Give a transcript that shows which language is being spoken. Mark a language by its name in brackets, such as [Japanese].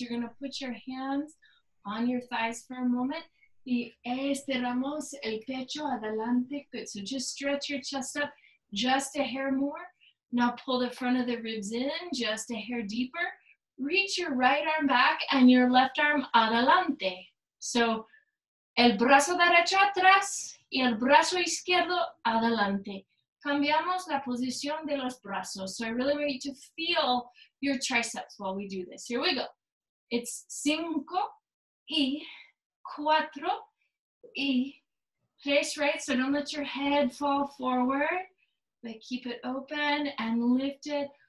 [English] You're going to put your hands on your thighs for a moment. [Spanish] Y estiramos el pecho adelante. Good. [English] So just stretch your chest up just a hair more. Now pull the front of the ribs in just a hair deeper. Reach your right arm back and your left arm adelante. [Spanish] So el brazo derecho atrás y el brazo izquierdo adelante. Cambiamos la posición de los brazos. [English] So I really want you to feel your triceps while we do this. Here we go. It's [Spanish] cinco y cuatro y tres, [English] right? So don't let your head fall forward. But keep it open and lift it.